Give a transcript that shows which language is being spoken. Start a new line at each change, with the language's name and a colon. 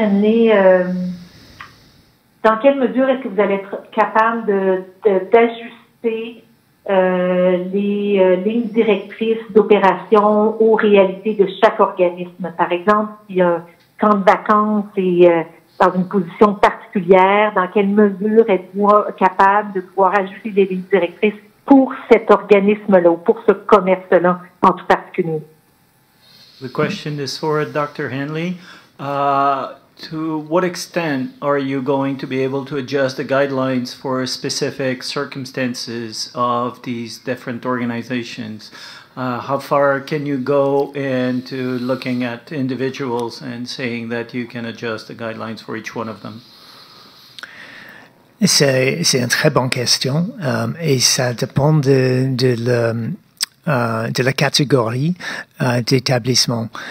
French: Hanley, dans quelle mesure est-ce que vous allez être capable d'ajuster les lignes directrices d'opération aux réalités de chaque organisme? Par exemple, s'il y a un camp de vacances et dans une position particulière, dans quelle mesure êtes-vous capable de pouvoir ajuster des lignes directrices pour cet organisme-là, ou pour ce commerce-là, en tout particulier?
English: The question is for Dr. Hanley. To what extent are you going to be able to adjust the guidelines for specific circumstances of these different organizations? How far can you go into looking at individuals and saying that you can adjust the guidelines for each one of them?
French: C'est une très bonne question et ça dépend de la catégorie d'établissement.